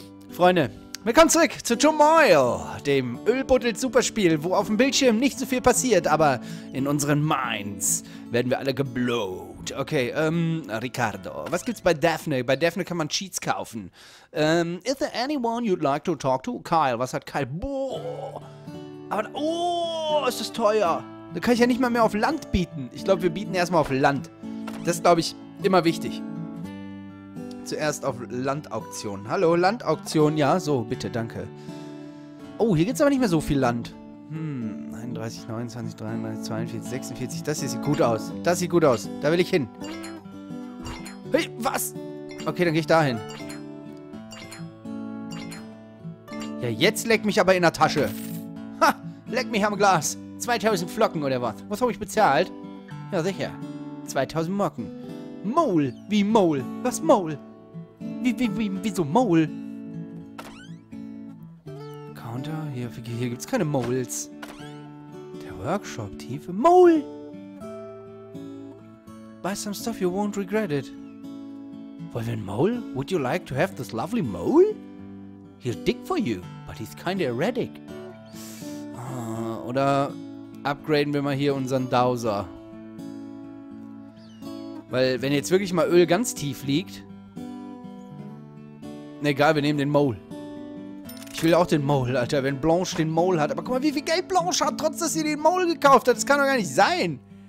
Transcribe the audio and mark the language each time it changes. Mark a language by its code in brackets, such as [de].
[de] Freunde, willkommen zurück zu Tomile, dem Ölbuddel-Superspiel, wo auf dem Bildschirm nicht so viel passiert, aber in unseren Minds werden wir alle geblowt. Okay, Ricardo, was gibt's bei Daphne? Bei Daphne kann man Cheats kaufen. [en] Is there anyone you'd like to talk to? [de] Kyle, was hat Kyle? Boah, aber, oh, ist das teuer. Da kann ich ja nicht mal mehr auf Land bieten. Ich glaube, wir bieten erstmal auf Land. Das ist, glaube ich, immer wichtig. Zuerst auf Landauktion. Hallo, Landauktion. Ja, so, bitte, danke. Oh, hier gibt es aber nicht mehr so viel Land. 31, 29, 33, 42, 46. Das hier sieht gut aus. Das sieht gut aus. Da will ich hin. Hey, was? Okay, dann gehe ich da hin. Ja, jetzt leck mich aber in der Tasche. Ha, leck mich am Glas. 2000 Flocken oder was? Was habe ich bezahlt? Ja, sicher. 2000 Mocken. Mole. Wie Mole? Was Mole? Wieso Mole? Counter, hier gibt's keine Moles. Der Workshop, Tiefe. Mole! [en] Buy some stuff, you won't regret it. [de] Wollen wir einen Mole? [en] Would you like to have this lovely Mole? He'll dig for you, but he's kinda erratic. [de] Oder upgraden wir mal hier unseren Dowser. Weil, wenn jetzt wirklich mal Öl ganz tief liegt. Egal, wir nehmen den Mole. Ich will auch den Mole, Alter, wenn Blanche den Mole hat. Aber guck mal, wie viel Geld Blanche hat, trotz dass sie den Mole gekauft hat. Das kann doch gar nicht sein.